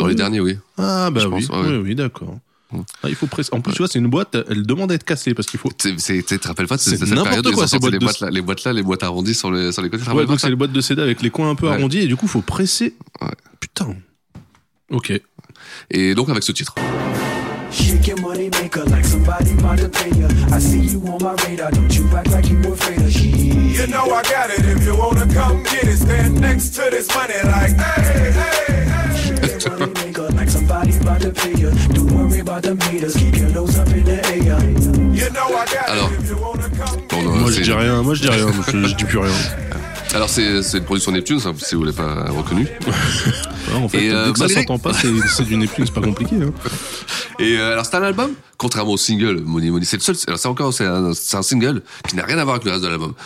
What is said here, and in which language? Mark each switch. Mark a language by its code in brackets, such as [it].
[fr] Dans les derniers, oui. Ah bah je pense, oui, d'accord. Mmh. Ah, il faut presser. En plus, tu vois, c'est une boîte, elle demande à être cassée parce qu'il faut. Tu te rappelles pas de cette période quoi, ces boîtes les boîtes-là, les boîtes arrondies sur les côtés. Ouais, donc c'est les boîtes de CD avec les coins un peu arrondis et du coup, il faut presser. Ouais. Putain. Ok. Et donc avec ce titre. [en] Shake your money maker like somebody about to pay ya. I see you on my radar, don't you act like you were afraid of. You know I got it, if you wanna come get it. Stand next to this money like, hey, hey, hey. Shake your money maker like somebody about to pay ya. Don't worry about the meters, keep your nose up in the air. You know I got it, if you wanna come get it. [fr] Moi je dis rien, je dis plus rien. Alors c'est une production Neptune, ça, si vous l'avez pas reconnu. Ouais, en fait, ça s'entend pas, c'est du Neptune, c'est pas compliqué. Hein. Et alors c'est un album, contrairement au single Money Money, c'est le seul. Alors c'est un single qui n'a rien à voir avec le reste de l'album.